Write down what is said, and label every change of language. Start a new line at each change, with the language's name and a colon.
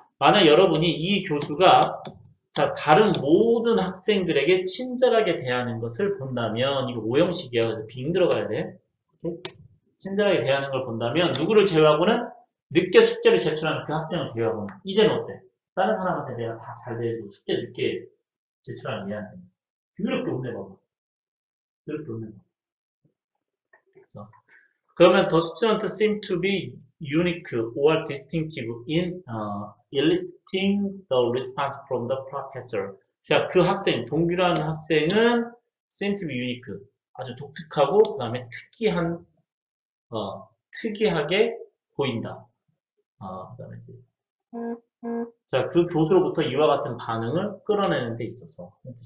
Korean: 만약 여러분이 이 교수가 다른 모든 학생들에게 친절하게 대하는 것을 본다면 이거 오형식이야. 그래서 being 들어가야 돼. 친절하게 대하는 걸 본다면 누구를 제외하고는 늦게 숙제를 제출하는 그 학생을 제외하고는 이제는 어때? 다른 사람한테 내가 다잘 대해주고 숙제 늦게 제출하는 얘한테 그렇게 혼내봐봐. 그렇게 혼내봐. 그래서 그러면
English: the student seem to be unique or distinctive in eliciting the response from the professor.
Korean: 자, 그 학생, 동규라는 학생은
English: seem to be unique.
Korean: 아주 독특하고, 그 다음에 특이하게 보인다. 자, 그 교수로부터 이와 같은 반응을 끌어내는 데 있어서.